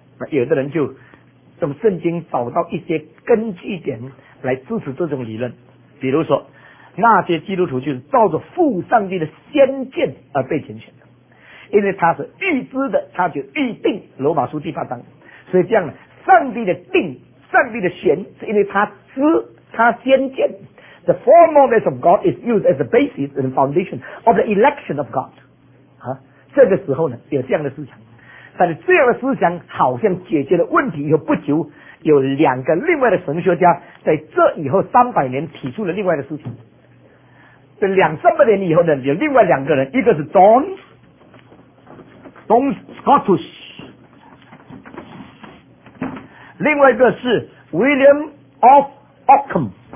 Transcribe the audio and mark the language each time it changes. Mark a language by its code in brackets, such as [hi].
[zh] 有的人就从圣经找到一些根据点来支持这种理论，比如说那些基督徒就是照着父上帝的先见而被拣选的，因为他是预知的，他就预定罗马书第八章，所以这样呢，上帝的定、上帝的选是因为他知、他先见。 [en] The foreknowledge of God is used as the basis and foundation of the election of God. [zh] 这个时候呢，有这样的思想，但是这样的思想好像解决了问题以后不久，有两个另外的神学家在这以后300年提出了另外的思想。这两三百年以后呢，有另外两个人，一个是 Don Scotus， 另外一个是 William of Ockham。